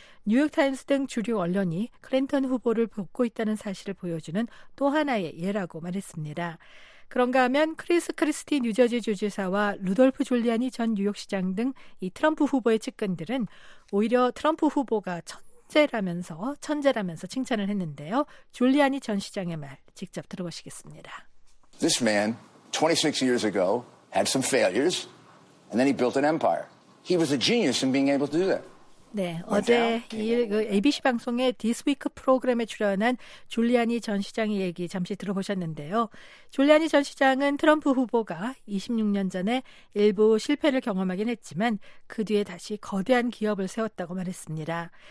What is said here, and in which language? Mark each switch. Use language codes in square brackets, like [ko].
[ko] 뉴욕타임스 등 주류 언론이 클린턴 후보를 돕고 있다는 사실을 보여주는 또 하나의 예라고 말했습니다. 그런가 하면 크리스 크리스티 뉴저지 주지사와 루돌프 줄리아니 전 뉴욕시장 등 이 트럼프 후보의 측근들은 오히려 트럼프 후보가 천재라면서 칭찬을 했는데요. 줄리아니 전 시장의 말 직접 들어보시겠습니다. [en] This man 26 years ago had some failures and then he built an empire. He was a genius in being able to do that. [ko] 네, 어제 ABC 방송의 디스 위크 프로그램에 출연한 줄리아니 전 시장의 얘기 잠시 들어보셨는데요. 줄리아니 전 시장은 트럼프 후보가 26년 전에 일부 실패를 경험하긴 했지만 그 뒤에 다시 거대한 기업을 세웠다고 말했습니다.